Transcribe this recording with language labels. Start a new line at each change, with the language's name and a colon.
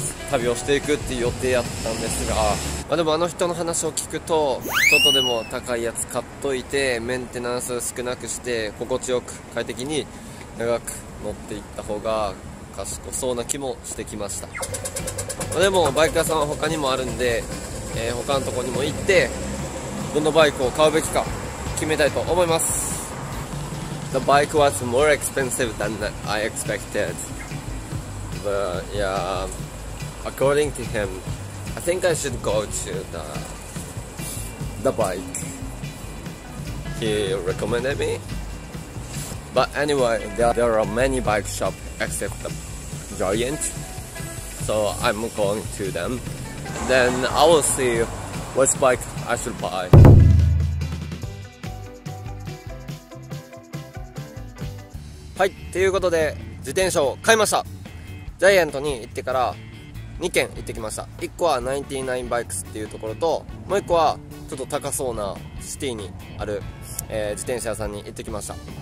Japanese: 旅をしていくっていう予定やったんですが、まあ、でもあの人の話を聞くと、ちょっとでも高いやつ買っといてメンテナンス少なくして心地よく快適に長く乗っていった方が賢そうな気もしてきました、まあ、でもバイク屋さんは他にもあるんで他のところにも行ってどのバイクを買うべきか決めたいと思います。
English: The bike was more expensive than I expected. But yeah, according to him, I think I should go to the bike he recommended me. But anyway, there are many bike shops except the Giant, so I'm going to themThen I will see which bike I should buy.
Japanese: はい、ということで自転車を買いました。ジャイアントに行ってから2軒行ってきました。 1個は99バイクスっていうところと、もう1個はちょっと高そうなシティにある、自転車屋さんに行ってきました。